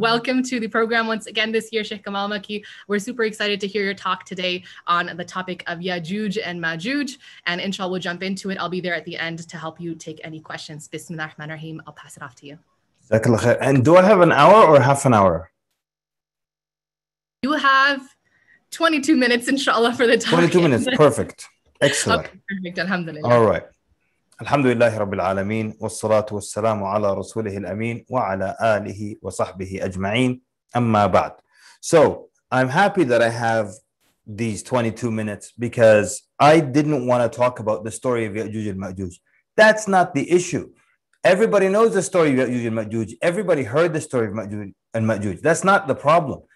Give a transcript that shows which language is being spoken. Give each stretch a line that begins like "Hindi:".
English: Welcome to the program once again this year, Sheikh Kamal Mekki. We're super excited to hear your talk today on the topic of Yajuj and Majuj. And inshallah, we'll jump into it. I'll be there at the end to help you take any questions. Bismillah ar-Rahman ar-Rahim. I'll pass it off to you. And do I have an hour or half an hour? You have 22 minutes, inshallah, for the time. 22 minutes, perfect. Excellent. Okay, perfect, alhamdulillah. All right.
Arabic: الحمد لله رب العالمين والصلاة والسلام على رسوله الأمين وعلى آله وصحبه أجمعين أما بعد.
English: So I'm happy that I have these 22 minutes because I didn't want to talk about the story of Ya'juj and Ma'juj. That's not the issue. Everybody knows the story of Ya'juj and Ma'juj. Everybody heard the story of Ma'juj and Ma'juj. That's not the problem.